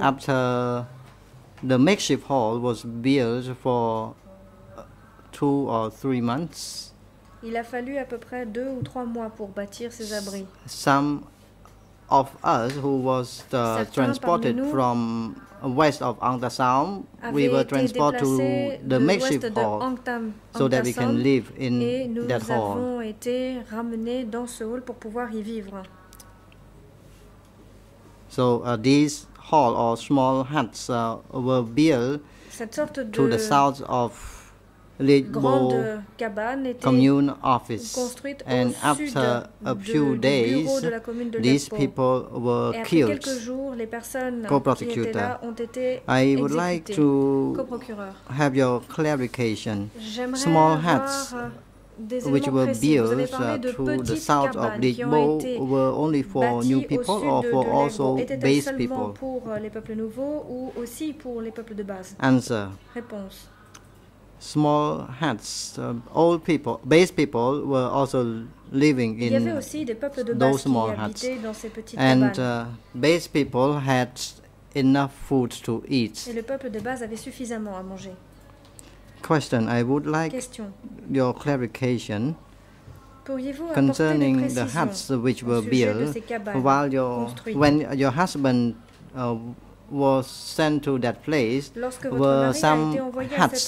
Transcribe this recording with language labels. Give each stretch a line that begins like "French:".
English: After the makeshift hall was built for 2 or 3 months,
French: il a fallu à peu près 2 ou 3 mois pour bâtir ces abris.
English: Some of us who was transported from west of Ang Tha Sam, we were transported to the makeshift hall so that we can live in that hall.
French: Et nous avons été ramenés dans ce hall pour pouvoir y vivre.
English: So these hall or small huts were built to the south of Ligbo commune office, and after a few days, these people were killed. Co-prosecutor, I would like to have your clarification. Small huts which were built to the south of Ligbo were only for new people or for also base people? Answer. Small huts, old people, base people were also living in those small huts. And base people had enough food to eat.
French: Et le peuple de base avait suffisamment à manger.
English: Question, I would like your clarification concerning the huts which were built while your when your husband was sent to that place.
French: Lorsque
English: were some huts